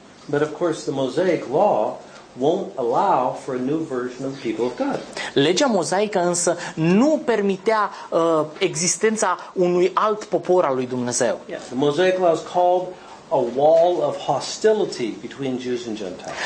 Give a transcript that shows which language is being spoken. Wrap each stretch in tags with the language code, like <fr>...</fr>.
<en>But of course the Mosaic law won't allow for a new version of people of God.</en> <ro>Legea mozaică însă nu permitea existența unui alt popor al lui Dumnezeu.</ro> <en>Yeah, the Mosaic law is called a wall of hostility between Jews and Gentiles.</en>